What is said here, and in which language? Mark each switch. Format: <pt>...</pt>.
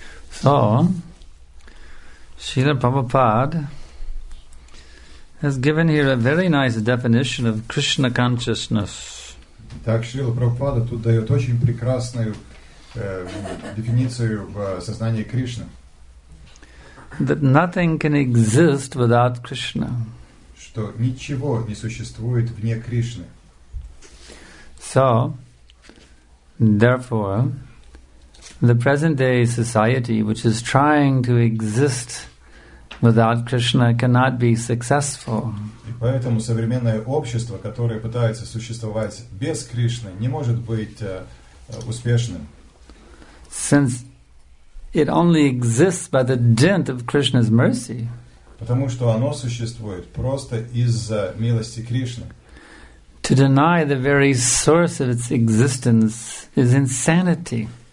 <en>So, Srila Prabhupada has given here a very nice definition of Krishna consciousness.</en> <ru>Так, Srila Prabhupada тут дает очень прекрасную дефиницию в сознании Кришны.</ru> <en>That nothing can exist without Krishna.</en> <ru>Что ничего не существует вне Кришны.</ru> <en>So, therefore, the present-day society, which is trying to exist without Krishna, cannot be successful.</en> <ru>И поэтому современное общество, которое пытается существовать без Кришны, не может быть успешным.</ru> <en>Since it only exists by the dint of Krishna's mercy.</en> <ru>Потому что оно существует просто из-за милости Кришны.</ru> <en>To deny the very source of its existence is insanity.</en>